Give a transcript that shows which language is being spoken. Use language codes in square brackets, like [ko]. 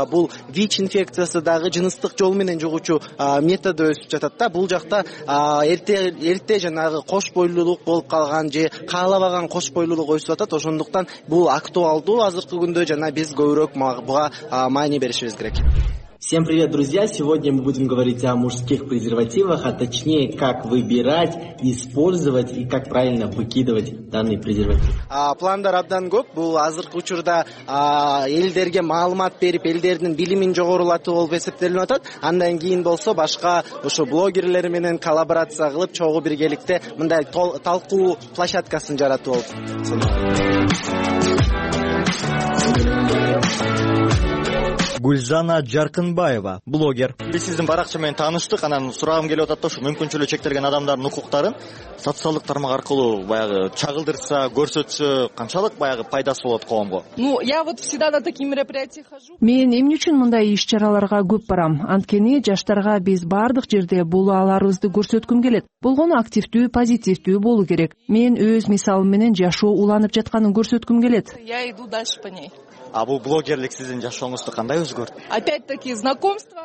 [ky] Бул ВИЧ инфекциясы дагы жыныстык жол менен жугуучу методу өсүп жатат да. Бул жакта эрте жанагы кош бойлуулук болуп калган же каалабаган кош бойлуулук өсүп атат. Ошондуктан бул актуалдуу азыркы күндө жана биз көбүрөөк буга маани беришибиз керек. [ru] Всем привет, друзья! Сегодня мы будем говорить о мужских презервативах, а точнее, как выбирать, использовать и как правильно выкидывать данный презерватив. [ky] Пландар абдан көп, бул азыркы учурда элдерге маалымат берип, элдердин билимин жогорулатуу болуп эсептелинип атат. Андан кийин болсо башка ошо блогерлер менен коллаборация кылып, чогуу биргеликте мындай талкуу площадкасын жаратуу болуп. Гүлзана Жаркынбаева, блогер. Биз сиздин баракча менен тааныштык, анан сурагым келип атат да, ушу мүмкүнчүлүгү чектелген адамдардын укуктарын социалдык тармак аркылуу баягы чагылдырса, көрсөтсө канчалык баягы пайдасы болот коомго? [ru] Ну, я вот всегда на такие мероприятия хожу. [ky] Мен эмне үчүн мындай иш-чараларга көп барам? Анткени жаштарга биз бардык жерде булааларыбызды көрсөткүм келет. Болгону активдүү, позитивдүү болуу керек. Мен өз мисалым менен жашоо уланып жатканын көрсөткүм келет. [ru] Я иду дальше по ней. [ky] А бул блогерлик сиздин жашооңузду кандай өзгөрттү? [ru] Опять-таки знакомство.